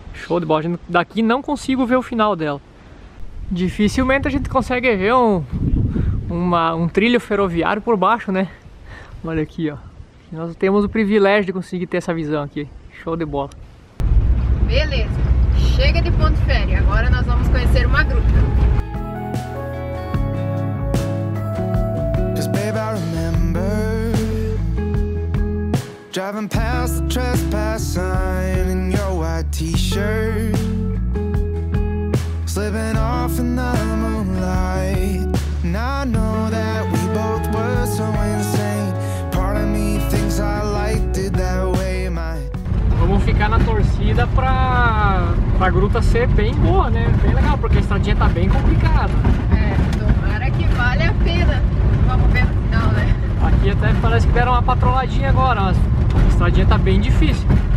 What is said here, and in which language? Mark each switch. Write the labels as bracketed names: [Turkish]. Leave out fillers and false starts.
[Portuguese] Show de bola, daqui não consigo ver o final dela. Dificilmente a gente consegue ver um trilho ferroviário por baixo, né. Olha aqui, ó. Nós temos o privilégio de conseguir ter essa visão aqui. Show de bola. Beleza, chega de ponto férias. Agora nós vamos conhecer uma gruta. [English] Just babe, I remember driving past the trespass sign in your white t-shirt, slipping off in the moonlight. Now I know that we both were so insane. Part of me thinks I liked it that way, my. [Portuguese] Vamos ficar na torcida pra gruta ser bem boa, né? Bem legal, porque a estradinha tá bem complicada. Tomara que valha a pena. Vamos ver no final, né? Aqui até parece que deram uma patroladinha agora, mas a estradinha tá bem difícil.